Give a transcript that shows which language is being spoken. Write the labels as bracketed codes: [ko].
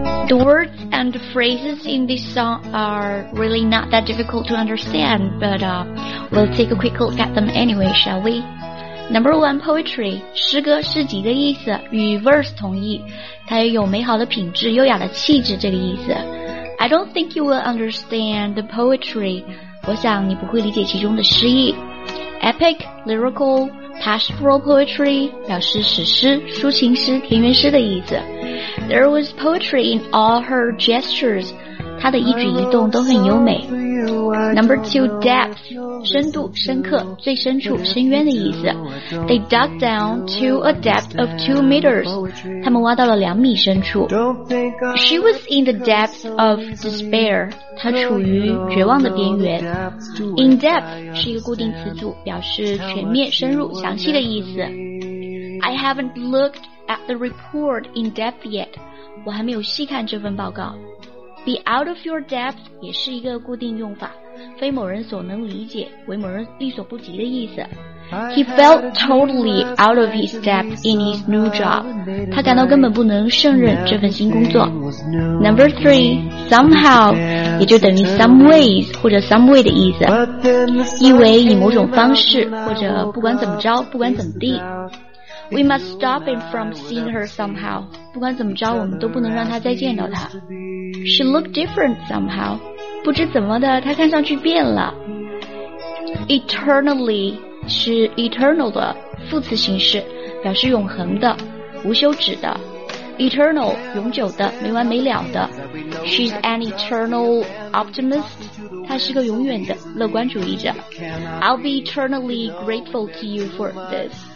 [en] The words and the phrases in this song are really not that difficult to understand, but we'll take a quick look at them anyway, shall we? Number one, [zh] poetry, 诗歌诗集的意思，与 verse 同意，它也有美好的品质、优雅的气质这个意思。 [en] I don't think you will understand the poetry. [zh] 我想你不会理解其中的诗意。 [en] Epic, lyrical, pastoral poetry [zh] 表示史诗、抒情诗、田园诗的意思。 [en] There was poetry in all her gestures. [zh] 她的一举一动都很优美。 [en] I wrote a song for you, I Number two, [zh] depth, 深度、深刻、最深处、深渊的意思。 [en] They dug down to a depth of 2 meters. [zh] 他们挖到了两米深处。 [en] She was in the depth of despair. [zh] 她处于绝望的边缘。In depth 是一个固定词组，表示全面、深入、详细的意思。 [en] I haven't looked at the report in depth yet. [zh] 我还没有细看这份报告。 [en] Be out of your depth [zh] 也是一个固定用法，非某人所能理解，为某人力所不及的意思。 [en] He felt totally out of his depth in his new job. [zh] 他感到根本不能胜任这份新工作。 [en] Number three, [zh] somehow, 也就等于 some ways 或者 some way 的意思，意为以某种方式，或者不管怎么着，不管怎么地。 [en] We must stop him from seeing her somehow. [zh] 不管怎么着，我们都不能让他再见到她。 [en] She looked different somehow. [zh] 不知怎么的，她看上去变了。 Eternally 是 eternal 的副词形式，表示永恒的、无休止的。 [en] Eternal [zh] 永久的、没完没了的。 [en] She's an eternal optimist. [zh] 她是个永远的乐观主义者。 [en] I'll be eternally grateful to you for this.